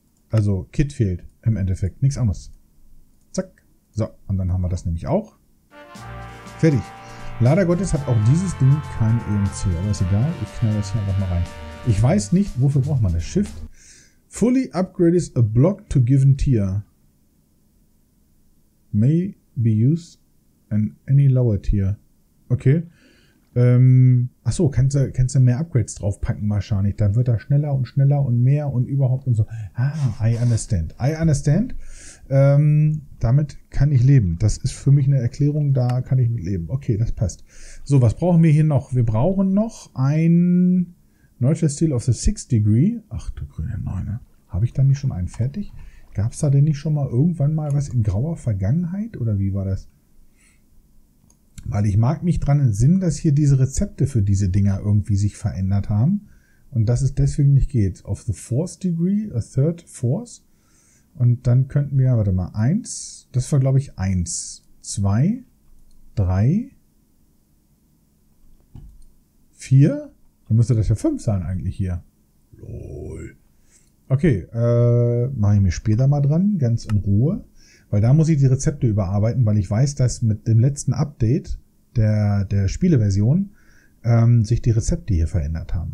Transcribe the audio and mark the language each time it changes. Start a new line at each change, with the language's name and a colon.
German: Also Kit fehlt im Endeffekt, nichts anderes. Zack. So, und dann haben wir das nämlich auch. Fertig. Leider Gottes hat auch dieses Ding kein EMC, aber ist egal, ich knall das hier einfach mal rein. Ich weiß nicht, wofür braucht man das Shift?
English: Fully upgrades a block to given tier. May be used in any lower tier.
German: Okay. Achso, kannst du mehr Upgrades draufpacken wahrscheinlich. Dann wird er schneller und schneller und mehr und überhaupt und so.
English: Ah, I understand.
German: Damit kann ich leben. Das ist für mich eine Erklärung, da kann ich mit leben. Okay, das passt. So, was brauchen wir hier noch? Wir brauchen noch ein Neutral Steel of the Sixth Degree. Ach du grüne Neune. Habe ich da nicht schon einen fertig? Gab es da denn nicht schon mal irgendwann mal was in grauer Vergangenheit? Oder wie war das? Weil ich mag mich dran entsinnen, dass hier diese Rezepte für diese Dinger irgendwie sich verändert haben. Und dass es deswegen nicht geht.
English: Of the Fourth Degree, a Third Force.
German: Und dann könnten wir, warte mal, 1, das war glaube ich 1, 2, 3, 4, dann müsste das ja 5 sein eigentlich hier. Lol. Okay, mache ich mir später mal dran, ganz in Ruhe, weil da muss ich die Rezepte überarbeiten, weil ich weiß, dass mit dem letzten Update der Spieleversion sich die Rezepte hier verändert haben.